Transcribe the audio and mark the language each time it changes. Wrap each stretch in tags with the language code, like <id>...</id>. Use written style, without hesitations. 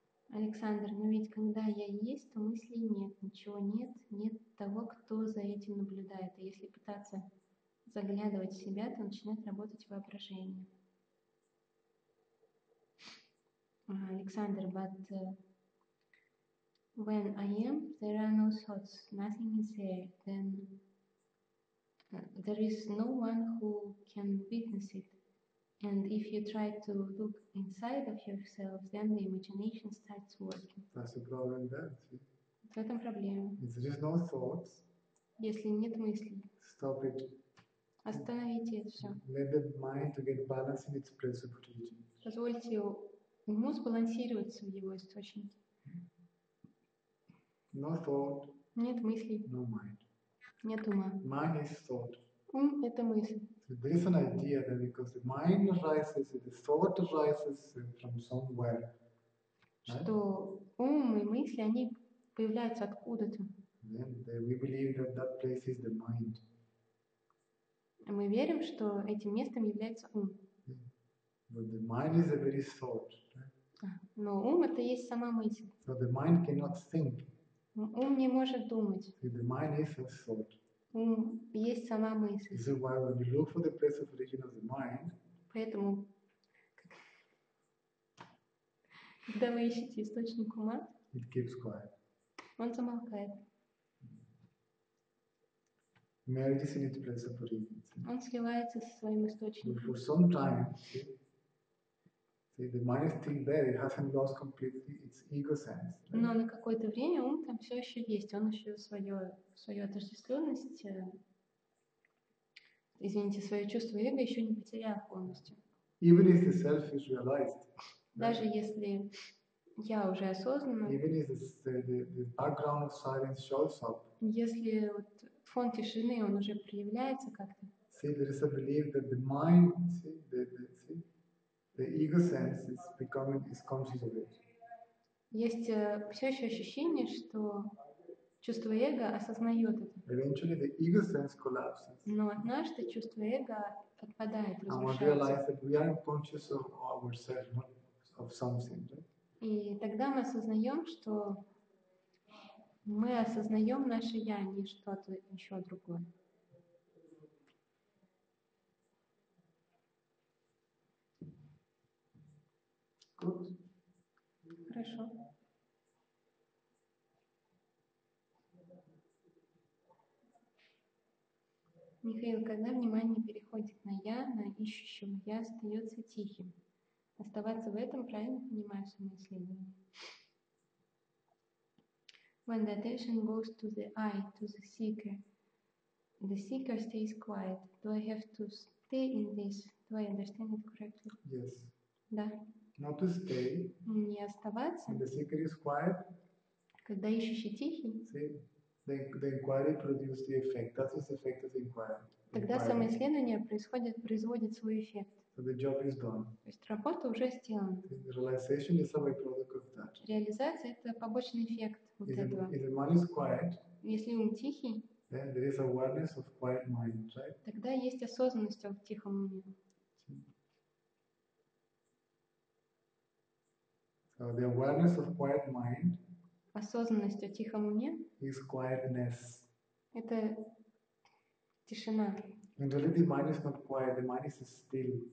<ru>Александр, но ведь когда я есть, то мыслей нет, ничего нет, нет того, кто за этим наблюдает. И если пытаться заглядывать в себя, то начинает работать воображение.</ru> <en>Alexander, but when I am, there are no thoughts, nothing is there, then there is no one who can witness it. And if you try to look inside of yourself, then the imagination starts working. That's the problem there.</en> <ru>В этом проблема.</ru> <en>If there is no thoughts,</en> <ru>если нет мыслей,</ru> <en>stop it.</en> <ru>Остановите это все.</ru> <en>Let the mind to get balanced in its principal region.</en> <ru>Позвольте уму сбалансируется в его источнике.</ru> <en>No thought.</en> <ru>Нет мыслей.</ru> <en>No mind.</en> <ru>Нет ума.</ru> <en>Mind is thought.</en> <ru>Ум — это мысль.</ru> <en>So there is an idea that because the mind arises, the thought arises from somewhere. Right?</en> <ru>Что ум и мысли, они появляются откуда-то.</ru> <en>Then we believe that that place is the mind.</en> <ru>А мы верим, что этим местом является ум.</ru> <en>But the mind is a very thought, right?</en> <ru>Но ум — это есть сама мысль.</ru> <en>So the mind cannot think.</en> <ru>Ум не может думать.</ru> <en>So the mind is a thought.</en> <ru>Ум есть сама мысль.</ru> <en>This is why when you look for the place of origin of the mind.</en> <ru>Поэтому, когда вы ищете источник ума,</ru> <en>it keeps quiet.</en> <ru>Он замолкает.</ru> <en>Merges in its place of origin.</en> <ru>Он сливается со своим источником.</ru> <en>But for some time. See, the mind is still there, it hasn't lost completely its ego sense. Right?</en> <ru>Но на какое-то время ум там все еще есть, он еще свою отождествленность, извините, свое чувство эго еще не потерял полностью.</ru> <en>Even if the self is realized.</en> <ru>Даже если я уже осознанно.</ru> <en>Even if the background of silence shows up.</en> <ru>Если вот фон тишины, он уже проявляется как-то.</ru> <en>See, there is a belief that the mind, see, the ego sense is becoming is conscious of it.</en> <ru>Есть все еще ощущение, что чувство эго осознает это.</ru> <en>Eventually the ego sense collapses.</en> <ru>Но однажды чувство эго отпадает, разрушается.</ru> <en>And we realize that we are conscious of ourselves, not of something. Right?</en> <ru>И тогда мы осознаем, что мы осознаем наше я, не что-то еще другое. Хорошо. Михаил, когда внимание переходит на я, на ищущего я, остается тихим. Оставаться в этом, правильно понимаю свое исследование.</ru> <en>When the attention goes to the I, to the seeker stays quiet. Do I have to stay in this? Do I understand it correctly? Yes.</en> <ru>Да.</ru> <en>Not to stay.</en> <ru>Не оставаться.</ru> <en>The seeker is quiet.</en> <ru>Когда ищущий тихий.</ru> <en>See, the inquiry produces the effect. That's the effect of the inquiry.</en> <ru>Тогда самоисследование производит свой эффект.</ru> <en>So the job is done.</en> <ru>То есть работа уже сделана.</ru> <en>The realization is a byproduct of that.</en> <ru>Реализация — это побочный эффект вот этого.</ru> <en>If the mind is quiet.</en> <ru>Если ум тихий.</ru> <en>Then there is awareness of quiet mind, right?</en> <ru>Тогда есть осознанность в тихом уме.</ru> <en>So the awareness of quiet mind.</en> <ru>Осознанность в тихом уме.</ru> <en>Is quietness.</en> <ru>Это тишина.</ru> <en>And really, the mind is not quiet. The mind is still.</en>